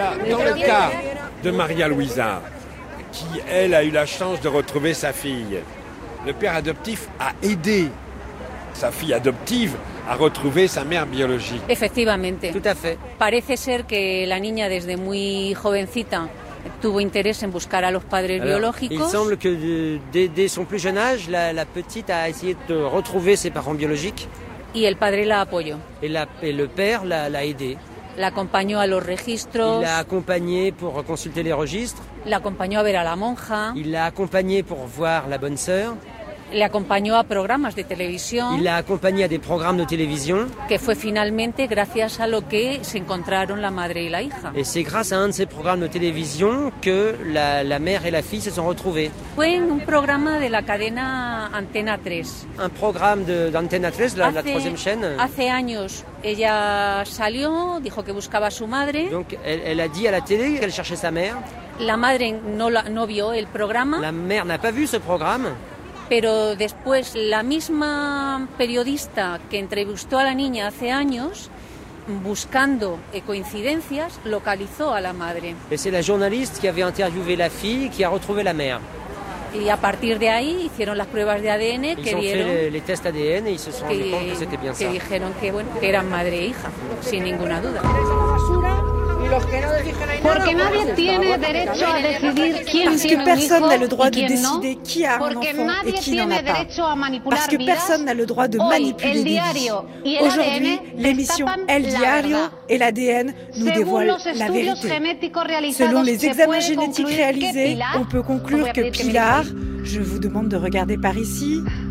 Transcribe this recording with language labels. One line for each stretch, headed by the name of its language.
French: Donka de Maria Luisa, qui, elle, a eu la chance de retrouver sa fille. Le père adoptif a aidé sa fille adoptive à retrouver sa mère biologique. Effectivement. Tout à fait.
Spanish: Parece ser que la niña, desde muy jovencita, tuvo interés en buscar a los padres biológicos.
French: Il semble que dès son plus jeune âge, la petite a essayé de retrouver ses parents biologiques.
Spanish: Y el padre la apoyó.
French: Et le père l'a aidé.
Spanish: L'accompagnó a los registros.
French: Il l'a accompagné pour consulter les registres.
Spanish: L'accompagnó a ver a la monja.
French: Il l'a accompagné pour voir la bonne sœur.
Spanish: L'accompagnó a programas de televisión.
French: Il l'a accompagné à des programmes de télévision.
Spanish: Que fue finalmente gracias a lo que se encontraron la madre y la hija.
French: Et c'est grâce à un de ces programmes de télévision que la mère et la fille se sont retrouvés.
Spanish: Fue en un programa de la cadena Antena 3.
French: Un programme d'Antena 3, la troisième chaîne.
Spanish: Hace años. Ella salió, dijo que buscaba a su madre.
French: Donc elle a dit à la télé qu'elle cherchait sa mère.
Spanish: La madre no vio el programa.
French: La mère n'a pas vu ce programme.
Spanish: Pero después la misma periodista que entrevistó a la niña hace años, buscando coincidencias, localizó a la madre.
French: Et c'est la journaliste qui avait interviewé la fille qui a retrouvé la mère.
Spanish: Y a partir de ahí hicieron las pruebas de ADN que dieron.
French: Ils ont fait les tests ADN et ils se sont rendu compte que c'était bien ça.
Spanish: Que dijeron que bueno, que eran madre e hija, sin ninguna duda. Porque nadie tiene derecho a decidir quién tiene un hijo.
French: Porque personne n'a le droit de décider qui a un enfant et qui n'en a pas. Parce que personne n'a le droit de manipuler des vies. Aujourd'hui, l'émission El Diario et l'ADN nous dévoilent la vérité. Selon les examens génétiques réalisés, on peut conclure que Pilar, je vous demande de regarder par ici.